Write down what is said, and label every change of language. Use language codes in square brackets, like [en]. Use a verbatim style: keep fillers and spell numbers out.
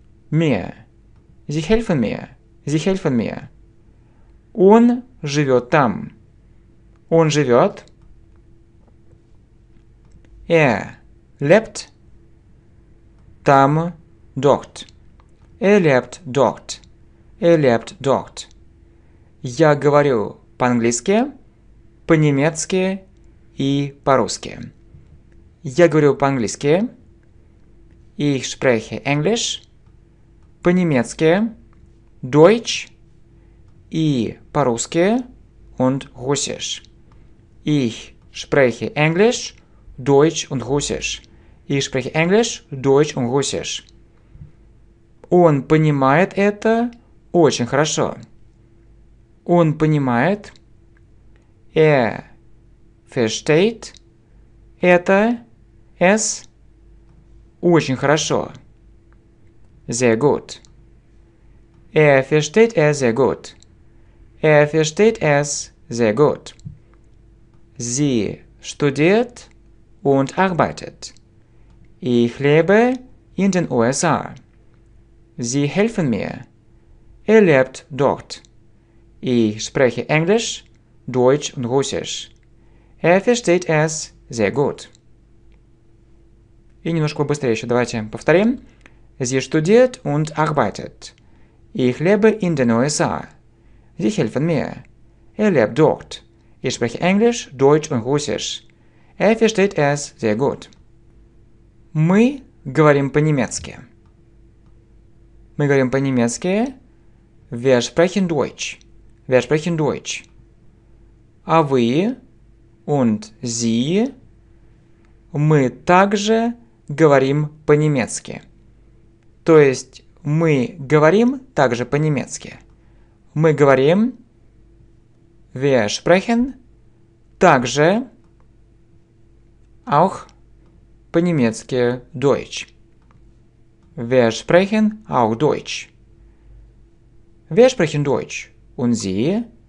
[de] Mir. Sie helfen mir. Sie helfen mir. [ru] Он живет там. Он живет. [de] Er lebt [ru] там, [de] dort. Er lebt dort. Er lebt dort. [ru] Я говорю по-английски, по-немецки и по-русски. Я говорю по-английски. [de] Ich spreche Englisch. [ru] По-немецки, Deutsch и по-русски [de] und Russisch. Ich spreche Englisch, Deutsch und Russisch. Ich spreche Englisch, Deutsch und Russisch. [ru] Он понимает это очень хорошо. Он понимает. [de] Er versteht [ru] это, [de] es, [ru] очень хорошо. [de] Sehr gut. Er versteht es sehr gut. Er versteht es sehr gut. Sie studiert und arbeitet. Ich lebe in den U S A. Sie helfen mir. Er lebt dort. Ich spreche Englisch, Deutsch und Russisch. Er versteht es sehr gut. [ru] И немножко быстрее еще давайте повторим. [de] Sie studiert und arbeitet. Ich lebe in den U S A. Sie helfen mir. Er lebt dort. Ich spreche Englisch, Deutsch und Russisch. Er versteht es sehr gut. [ru] Мы говорим по-немецки. Мы говорим по-немецки. [de] Wir sprechen Deutsch. Wir sprechen Deutsch. [ru] А вы [de] und Sie. [ru] Мы также говорим по-немецки. То есть мы говорим также по-немецки. Мы говорим. [de] Wir sprechen [ru] также [de] auch [ru] по-немецки [de] Deutsch. Wir sprechen auch Deutsch. Wir sprechen Deutsch. Und Sie?